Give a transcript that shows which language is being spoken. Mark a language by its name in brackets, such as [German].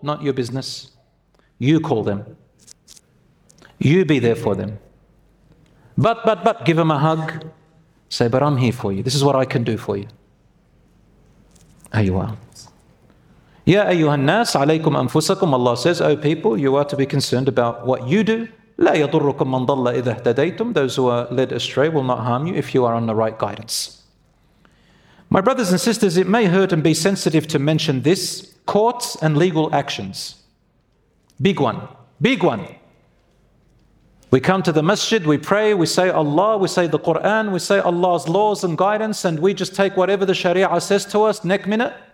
[English] Not your business. You call them. You be there for them. But, give them a hug. Say, but I'm here for you. This is what I can do for you. Ayuha. [Arabic] Ya ayuha nas, alaykum anfusakum. [English] Allah says, O people, you are to be concerned about what you do. [Arabic] لا يضركم من ضل إذا اهتديتم. [English] Those who are led astray will not harm you if you are on the right guidance. My brothers and sisters, it may hurt and be sensitive to mention this. Courts and legal actions. Big one. Big one. We come to the masjid, we pray, we say Allah, we say the Quran, we say Allah's laws and guidance, and we just take whatever the Sharia says to us, next minute.